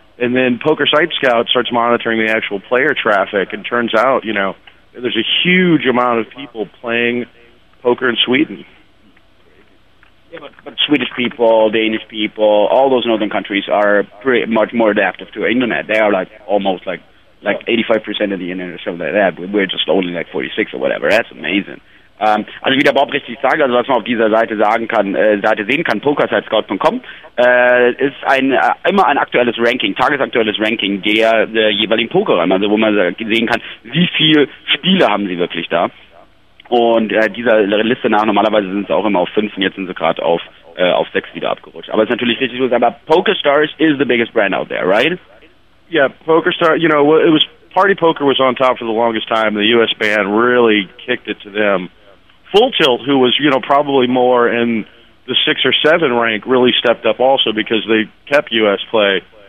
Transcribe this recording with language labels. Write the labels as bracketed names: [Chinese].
[English] And then Poker Site Scout starts monitoring the actual player traffic, and turns out, you know, there's a huge amount of people playing poker in Sweden. Yeah, but Swedish people, Danish people, all those northern countries are pretty much more adaptive to internet. They are like almost like 85% of the internet or something like that. We're just only like 46 or whatever. That's amazing. [German] Also wie der Bob richtig sagt, also was man auf dieser Seite sagen kann, Seite sehen kann, pokersitescout.com, ist ein immer ein aktuelles Ranking, tagesaktuelles Ranking der jeweiligen Pokerräume, also wo man sehen kann, wie viele Spiele haben sie wirklich da. Und dieser Liste nach, normalerweise sind sie auch immer auf 5 und jetzt sind sie gerade auf 6 wieder abgerutscht. Aber es ist natürlich richtig, aber [English] PokerStars is the biggest brand out there, right? Yeah, PokerStars, you know, it was... Party Poker was on top for the longest time, and the U.S. ban really kicked it to them. Full Tilt, who was, you know, probably more in the 6 or 7 rank, really stepped up also because they kept U.S. play.